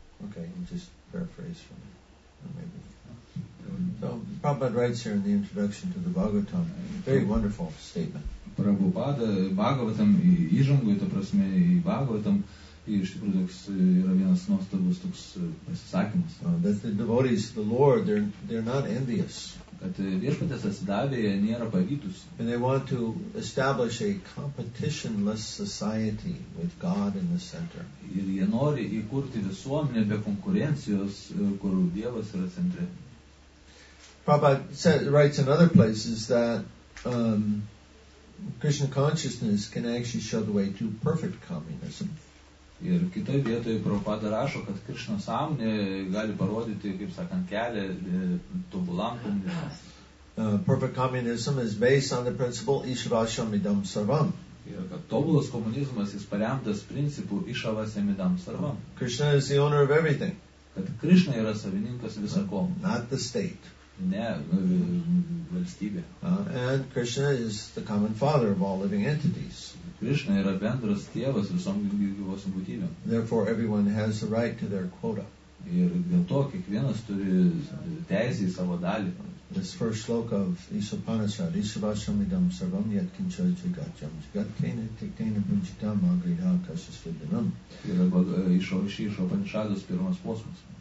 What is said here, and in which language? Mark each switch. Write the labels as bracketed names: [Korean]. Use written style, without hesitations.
[English] Okay, I'll just paraphrase for me. So, Prabhupada writes here in the introduction to the Bhagavatam, very wonderful statement. [Lithuanian] Prabhupada, Bhagavatam, įžangui, ta prasme, į Bhagavatam, iš tikrųjų toks yra vienas nuostabus toks pasisakymas. [English] That the devotees, the Lord, they're not envious. [Lithuanian] Kad viešpatės atsidavė, jie nėra pavytus. [English] And they want to establish a competitionless society with God in the center. [Lithuanian] Ir jie nori įkurti visuomenę be konkurencijos, kur Dievas yra centre. [English] Prabhupada writes in other places that Krishna consciousness can actually show the way to perfect communism. [Lithuanian] Ir kitoje vietoje Prabhupada rašo, kad Krishna sąmonė gali parodyti, kaip sakant, kelią tobulam komunizmui. [English] Perfect communism is based on the principle [Sanskrit] Ishvasyam Idam Sarvam. [Lithuanian] Ir kad tobulas komunizmas jis paremtas principu [Sanskrit] Ishvasyam Idam Sarvam. [English] Krishna is the owner of everything. [Lithuanian] Kad Krishna yra savininkas visako. [English] Not the state. [Lithuanian] Ne, valstybė. [English] And Krishna is the common father of all living entities. [Lithuanian] Krishna yra bendras tėvas visom gyvos būtybėm. [English] Therefore everyone has the right to their quota. [Lithuanian] Ir dėl to kiekvienas turi teisę į savo dalį. [English] This first sloka of Isopanishad, [Sanskrit] Isavasyam idam sarvam yat kincha jagatyam jagat kena tiktena bhujitam agriha kashasvidinam. [Lithuanian] Yra Isopanishadas pirmas posmas.